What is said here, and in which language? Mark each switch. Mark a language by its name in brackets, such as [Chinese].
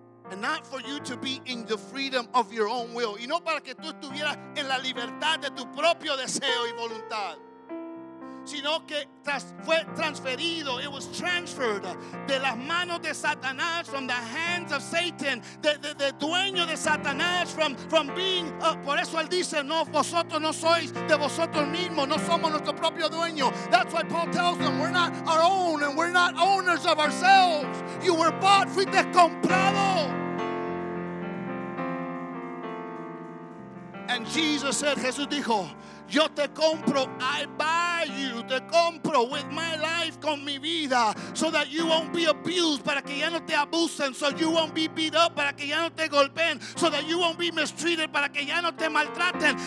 [English] And not for you to be in the freedom of your own will. [Spanish] Y no para que tú estuvieras en la libertad de tu propio deseo y voluntad. Sino que fue transferido, [English] it was transferred [Spanish] de las manos de Satanás, [English] from the hands of Satan, [Spanish] de dueño de Satanás, [English] from being, [Spanish] por eso él dice, no, vosotros no sois de vosotros mismos, no somos nuestro propio dueño. [English] That's why Paul tells them, we're not our own and we're not owners of ourselves. You were bought, [Spanish] fuiste comprado. [English] And Jesus said, [Spanish] Jesús dijo, yo te compro, [English] I buy you, [Spanish] te compro [English] with my life, [Spanish] con mi vida, [English] so that you won't be abused, [Spanish] para que ya no te abusen, [English] so you won't be beat up, [Spanish] para que ya no te golpeen, [English] so that you won't be mistreated, [Spanish] para que ya no te maltraten.